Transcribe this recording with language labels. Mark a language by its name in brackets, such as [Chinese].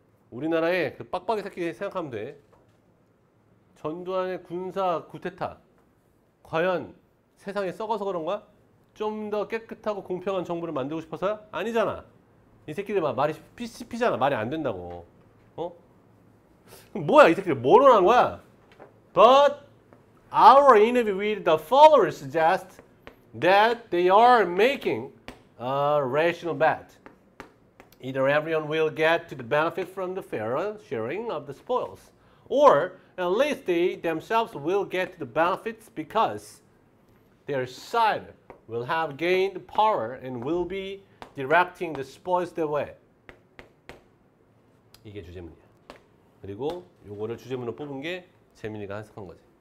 [Korean] 우리나라의 그 빡빡이 새끼 생각하면 돼. 전두환의 군사 쿠데타 과연 세상에 썩어서 그런가? 좀 더 깨끗하고 공평한 정부를 만들고 싶어서? 아니잖아. 이 새끼들 막 말이 피잖아. 말이 안 된다고. 어? 그럼 뭐야 이 새끼들 뭘 원하는 거야? [English] But our interview with the followers suggest that they are making a rational bet. Either everyone will get to the benefit from the fair sharing of the spoils, or at least they themselves will get the benefits because their side will have gained power and will be directing the spoils their way. [Korean] 이게 주제문이야. 그리고 요거를 주제문으로 뽑은 게 재민이가 해석한 거지.